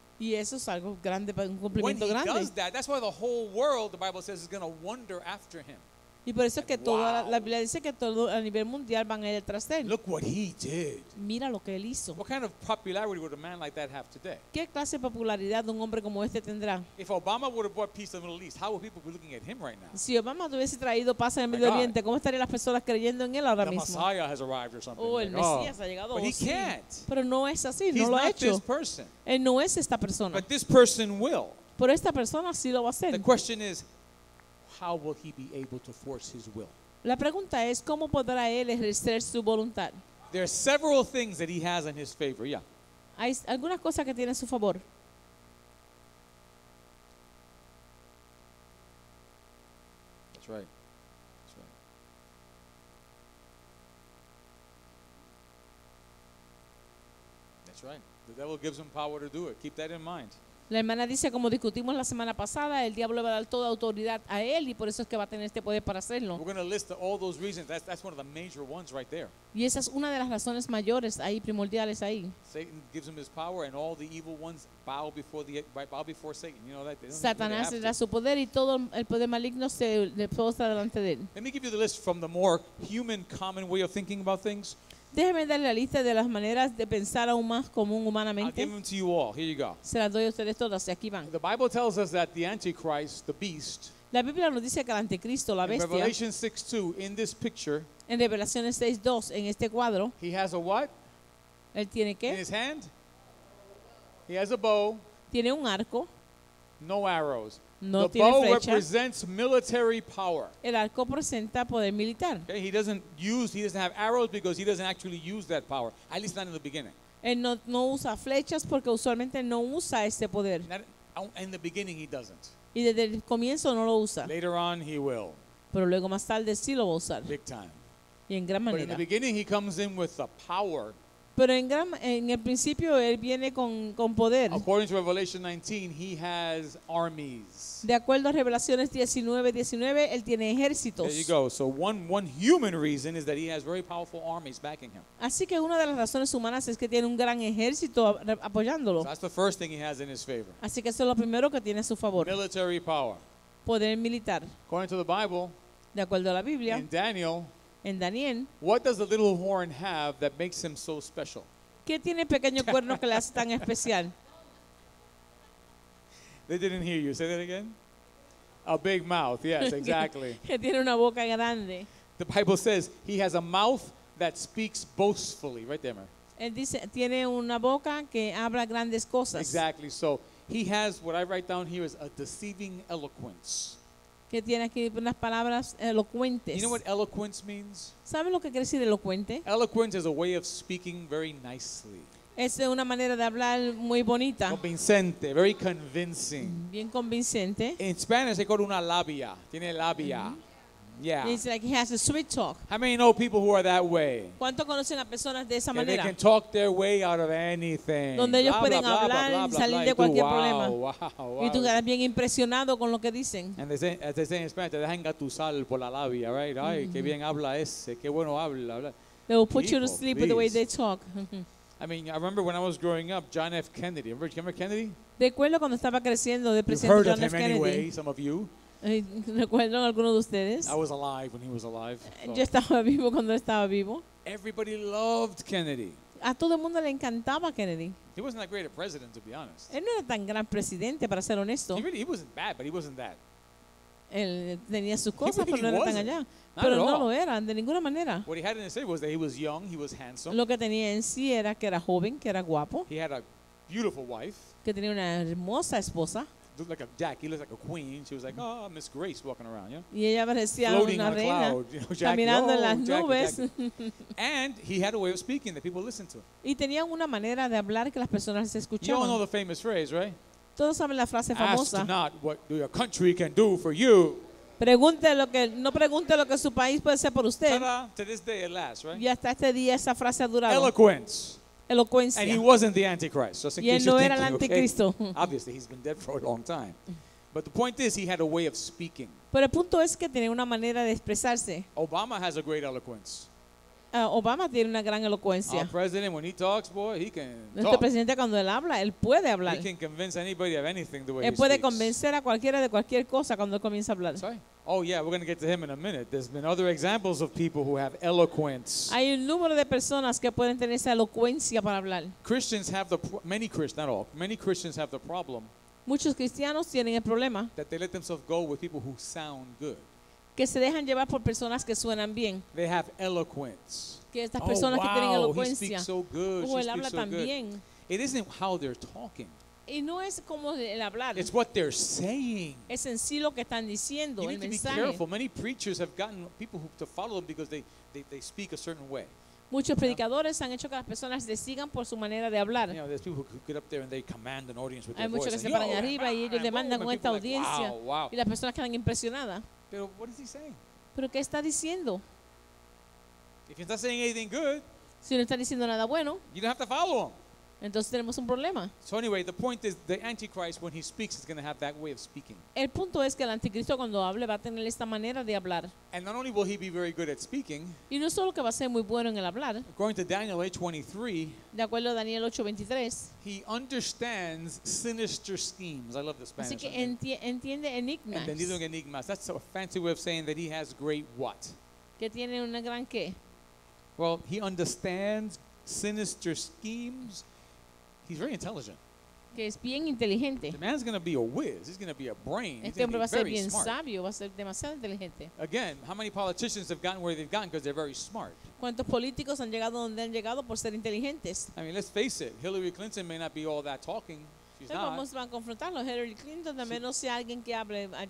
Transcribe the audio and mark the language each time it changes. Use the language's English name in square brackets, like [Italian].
[Spanish] Y eso es algo grande, un cumplimiento grande. [English] When he does that, that's why the whole world, the Bible says, is going to wonder after him. [Spanish] Y por eso es que toda la Biblia dice que todo a nivel mundial van a ir tras él. [English] Look what he did. [Spanish] Mira lo que él hizo. [English] What kind of popularity would a man like that have today? [Spanish] ¿Qué clase de popularidad un hombre como este tendrá? [English] If Obama would have brought peace to the Middle East, how would people be looking at him right now? [Spanish] Si Obama hubiese traído paz en el Medio Oriente, ¿cómo estarían las personas creyendo en él ahora mismo? [English] The Messiah has arrived or something. [Spanish] Oh, el Mesías ha llegado. [English] But he can't. [Spanish] Pero no es así. [English] He's [Spanish] no lo ha hecho. [English] This person. [Spanish] Él no es esta persona. [English] But this person will. [Spanish] Pero esta persona sí lo va a hacer. [English] The question is, how will he be able to force his will? [Spanish] La pregunta es, ¿cómo podrá él ejercer su voluntad? [English] There are several things that he has in his favor, yeah. [Spanish] Hay algunas cosas que tiene a su favor. [English] That's right. That's right. That's right. The devil gives him power to do it. Keep that in mind. [Spanish] La hermana dice, como discutimos la semana pasada, el diablo va a dar toda autoridad a él y por eso es que va a tener este poder para hacerlo. [English] We're going to list all those reasons. That's one of the major ones right there. [Spanish] Y esa es una de las razones mayores ahí, primordiales ahí. [English] Satan gives him his power and all the evil ones bow before Satan. You know that? [Spanish] Satanás le da su poder y todo el poder maligno se le posa delante de él. [English] Let me give you the list from the more human common way of thinking about things. [Spanish] Déjeme darle la lista de las maneras de pensar aún más común humanamente. [English] I'll give them to you all. Here you go. [Spanish] Se las doy a ustedes todas y aquí van. [English] The Bible tells us that the Antichrist, the beast, [Spanish] la Biblia nos dice que el anticristo, la bestia, [English] in Revelation 6:2, in this picture, [Spanish] en Revelaciones 6:2, en este cuadro, [English] he has a what? [Spanish] Él tiene qué? [English] In his hand. He has a bow. [Spanish] Tiene un arco. [English] no arrows. [Spanish] No [English] the bow [Spanish] flecha. [English] Represents military power. [Spanish] El arco presenta poder militar. [English] Okay, he doesn't have arrows because he doesn't actually use that power, at least not in the beginning. [Spanish] Él no usa flechas porque usualmente no usa ese poder. [English] In the beginning he doesn't. [Spanish] Y desde el comienzo no lo usa. [English] Later on he will. [Spanish] Pero luego más tarde sí lo va a usar. [English] Big time. [Spanish] Y en gran manera. [English] But in the beginning he comes in with the power. [Spanish] Pero en el principio él viene con poder. [English] According to Revelation 19, he has armies. [Spanish] De acuerdo a Revelaciones 19:19, él tiene ejércitos. [English] There you go. So one human reason is that he has very powerful armies backing him. [Spanish] Así que una de las razones humanas es que tiene un gran ejército apoyándolo. [English] So that's the first thing he has in his favor. [Spanish] Así que eso es lo primero que tiene a su favor. [English] Military power. [Spanish] Poder militar. [English] According to the Bible. [Spanish] De acuerdo a la Biblia. [English] In Daniel. [Spanish] En Daniel, [English] what does the little horn have that makes him so special? [Spanish] ¿Qué tiene el pequeño cuerno que le hace tan especial? [English] They didn't hear you. Say that again. A big mouth. Yes, exactly. [Spanish] Que tiene una boca grande. [English] The Bible says he has a mouth that speaks boastfully. Right there, man. [Spanish] Él dice, tiene una boca que habla grandes cosas. [English] Exactly. So he has what I write down here is a deceiving eloquence. [Spanish] Que tiene aquí unas palabras elocuentes. [English] You know what eloquence means? [Spanish] ¿Saben lo que quiere decir elocuente? [English] Eloquence is a way of speaking very nicely. [Spanish] Es una manera de hablar muy bonita. Convincente, [English] very convincing. [Spanish] Bien convincente. [English] In Spanish, they call it [Spanish] una labia. Tiene labia. [English] Mm-hmm. Yeah. It's like he has a sweet talk. How many know people who are that way? [Spanish] ¿Cuánto conocen a personas de esa manera? [English] They can talk their way out of anything. [Spanish] Donde ellos pueden hablar y salir de cualquier problema. [English] Wow. [Spanish] Y tú quedas bien impresionado con lo que dicen. [English] And they say in Spanish, [Spanish] te dejan gatusal por la labia, [English] right? [Spanish] Ay, qué bien habla ese, qué bueno habla. [English] They will put you to sleep with the way they talk. I mean, I remember when I was growing up, John F. Kennedy. Remember Kennedy? [Spanish] Recuerdo cuando estaba creciendo de presidente John F. Kennedy. [English] You've heard of him anyway, some of you. [Spanish] ¿Recuerdan alguno de ustedes? [English] I was alive when he was alive. [Spanish] Yo estaba vivo cuando estaba vivo. [English] Everybody loved Kennedy. [Spanish] A todo el mundo le encantaba Kennedy. [English] He wasn't that great a president, to be honest. [Spanish] Él no era tan gran presidente, para ser honesto. [English] He wasn't bad, but he wasn't that. [Spanish] Él tenía sus cosas, pero no era tan allá. Pero no lo era, de ninguna manera. [English] What he had in his favor was that he was young, he was handsome. [Spanish] Lo que tenía en sí era que era joven, que era guapo. [English] He had a beautiful wife. [Spanish] Que tenía una hermosa esposa. [English] Looked like a Jackie, looked like a queen. She was like, oh, Miss Grace walking around, yeah? [Spanish] Y ella parecía [English] floating [Spanish] una [English] on a [Spanish] reina, [English] cloud, you know, Jackie, [Spanish] caminando oh, en las nubes. [English] Jackie. And he had a way of speaking that people listened to. [Spanish] Y tenía una manera de hablar que las personas escuchaban. [English] You all know the famous phrase, right? [Spanish] Todos saben la frase famosa. [English] Ask not what your country can do for you. [Spanish] Pregunte lo que su país puede hacer por usted. [English] To this day it lasts, right? [Spanish] Y hasta este día esa frase ha durado. [English] Eloquence. [Spanish] Eloquencia. [English] And he wasn't the Antichrist. Just in [Spanish] y él [English] case [Spanish] no [English] you're [Spanish] era [English] thinking, [Spanish] el Anticristo. [English] Okay, obviously, he's been dead for a long time. But the point is, he had a way of speaking. [Spanish] Pero el punto es que tiene una manera de expresarse. [English] Obama has a great eloquence. [Spanish] Obama tiene una gran elocuencia. [English] Our president, when he talks, boy, he can [Spanish] nuestro [English] talk. [Spanish] Presidente cuando él habla, él puede hablar. [English] He can convince anybody of anything the way [Spanish] él [English] he speaks. [Spanish] Él puede convencer a cualquiera de cualquier cosa cuando él comienza a hablar. [English] Sorry. Oh yeah, we're going to get to him in a minute. There's been other examples of people who have eloquence. [Spanish] Hay un número de personas que pueden tener esa elocuencia para hablar. [English] Christians have the many Christians, not all. Many Christians have the problem. [Spanish] Muchos cristianos tienen el problema. [English] That they let themselves go with people who sound good. [Spanish] Que se dejan llevar por personas que suenan bien. [English] They have eloquence. [Spanish] Que estas personas que tienen elocuencia. [English] Oh, wow, he speaks so good. [Spanish] Él habla tan bien. [English] It isn't how they're talking. [Spanish] Y no es como el hablar. [English] It's what they're saying. [Spanish] Es en sí lo que están diciendo, el mensaje. [English] You need to be careful. Many preachers have gotten people to follow them because they speak a certain way. [Spanish] Muchos predicadores han hecho que las personas le sigan por su manera de hablar. [English] You know, there's people who get up there and they command an audience with their voice. [Spanish] Hay muchos que se paran arriba y ellos demandan con esta audiencia. Wow, wow. Y las personas quedan impresionadas. Pero, [English] what is he saying? [Spanish] ¿Pero qué está diciendo? [English] If he's not saying anything good, [Spanish] si no está diciendo nada bueno, [English] you don't have to follow him. [Spanish] Entonces tenemos un problema. [English] So anyway, the point is the Antichrist when he speaks is going to have that way of speaking. [Spanish] El punto es que el anticristo cuando hable va a tener esta manera de hablar. [English] And not only will he be very good at speaking. [Spanish] Y no solo que va a ser muy bueno en el hablar. [English] According to Daniel 8:23. [Spanish] De acuerdo a Daniel 8:23. [English] He understands sinister schemes. I love the Spanish. [Spanish] Así que entiende enigmas. Entendiendo enigmas. [English] That's a fancy way of saying that he has great what? [Spanish] Que tiene una gran qué? [English] Well, he understands sinister schemes. He's very intelligent. [Spanish] Que es bien inteligente. [English] The man's going to be a whiz. He's going to be a brain. [Spanish] Este hombre va a ser bien [English] smart. [Spanish] Sabio, va a ser demasiado inteligente. [English] Again, how many politicians have gotten where they've gotten because they're very smart? [Spanish] ¿Cuántos políticos han llegado donde han llegado por ser inteligentes? [English] I mean, let's face it. Hillary Clinton may not be all that talking. she's not. [Spanish] Vamos a confrontarlo. Hillary Clinton, a menos sea alguien que hable allá.